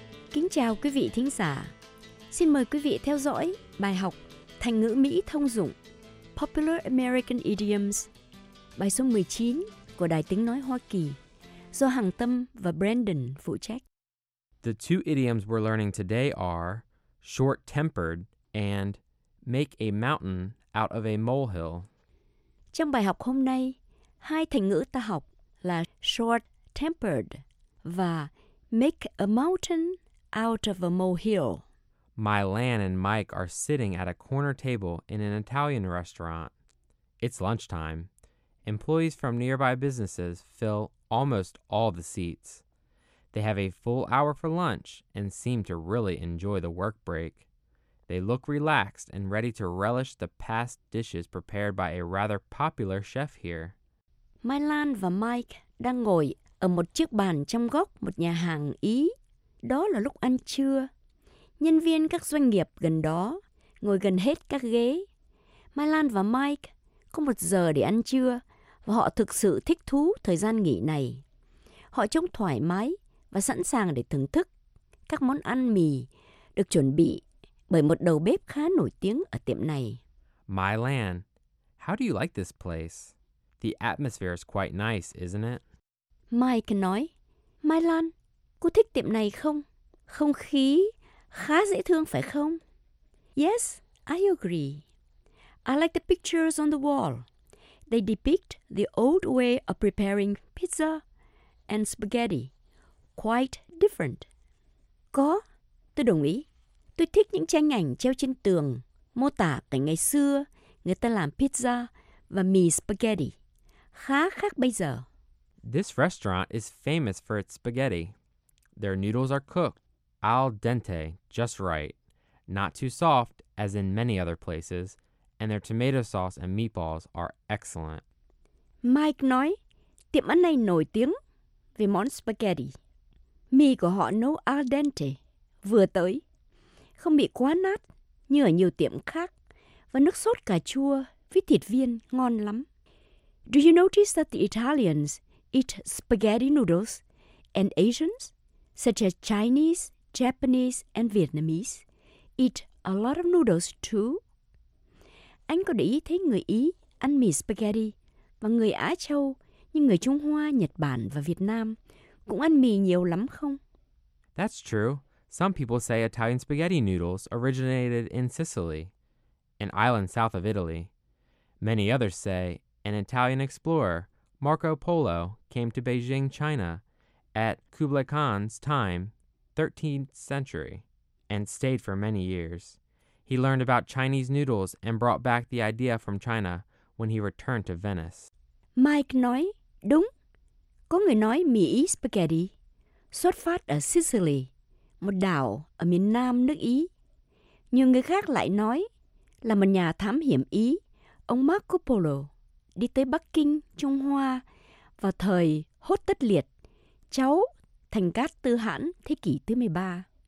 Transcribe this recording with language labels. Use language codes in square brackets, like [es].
[vi] Kính chào quý vị thính giả. Xin mời quý vị theo dõi bài học thành ngữ Mỹ thông dụng [en] Popular American Idioms, [vi] bài số 19 của Đài Tiếng Nói Hoa Kỳ, do Hằng Tâm và Brandon phụ trách. [en] The two idioms we're learning today are short-tempered and make a mountain out of a molehill. [vi] Trong bài học hôm nay, hai thành ngữ ta học là short-tempered và [en] make a mountain out of a molehill. Mylan and Mike are sitting at a corner table in an Italian restaurant. It's lunchtime. Employees from nearby businesses fill almost all the seats. They have a full hour for lunch and seem to really enjoy the work break. They look relaxed and ready to relish the past dishes prepared by a rather popular chef here. [vi] Mylan và Mike đang ngồi ở một chiếc bàn trong góc một nhà hàng Ý. Đó là lúc ăn trưa. Nhân viên các doanh nghiệp gần đó ngồi gần hết các ghế. Mylan và Mike có một giờ để ăn trưa và họ thực sự thích thú thời gian nghỉ này. Họ trông thoải mái và sẵn sàng để thưởng thức các món ăn mì được chuẩn bị bởi một đầu bếp khá nổi tiếng ở tiệm này. [en] Mylan, how do you like this place? The atmosphere is quite nice, isn't it? [vi] Mike nói, Mylan, cô thích tiệm này không? Không khí khá dễ thương phải không? [en] Yes, I agree. I like the pictures on the wall. They depict the old way of preparing pizza and spaghetti. Quite different. [vi] Có, tôi đồng ý. Tôi thích những tranh ảnh treo trên tường, mô tả cảnh ngày xưa, người ta làm pizza và mì spaghetti. Khá khác bây giờ. [en] This restaurant is famous for its spaghetti. Their noodles are cooked al dente, just right. Not too soft, as in many other places. And their tomato sauce and meatballs are excellent. [vi] Mike nói, tiệm ăn này nổi tiếng về món spaghetti. Mì của họ nấu al dente, vừa tới. Không bị quá nát như ở nhiều tiệm khác. Và nước sốt cà chua với thịt viên ngon lắm. [en] Do you notice that the Italians eat spaghetti noodles and Asians, such as Chinese, Japanese and Vietnamese, eat a lot of noodles too? [vi] Anh có để ý thấy người Ý ăn mì spaghetti và người Á Châu như người Trung Hoa, Nhật Bản và Việt Nam cũng ăn mì nhiều lắm không? [en] That's true. Some people say Italian spaghetti noodles originated in Sicily, an island south of Italy. Many others say an Italian explorer, Marco Polo, came to Beijing, China, at Kublai Khan's time, 13th century, and stayed for many years. He learned about Chinese noodles and brought back the idea from China when he returned to Venice. [vi] Mike nói, đúng. Có người nói mì Ý spaghetti xuất phát ở Sicily, một đảo ở miền nam nước Ý. Nhiều người khác lại nói là một nhà thám hiểm Ý, ông Marco Polo, đi tới Bắc Kinh, Trung Hoa vào thời Hốt Tất Liệt, cháu Thành Cát Tư Hãn thế kỷ thứ 13.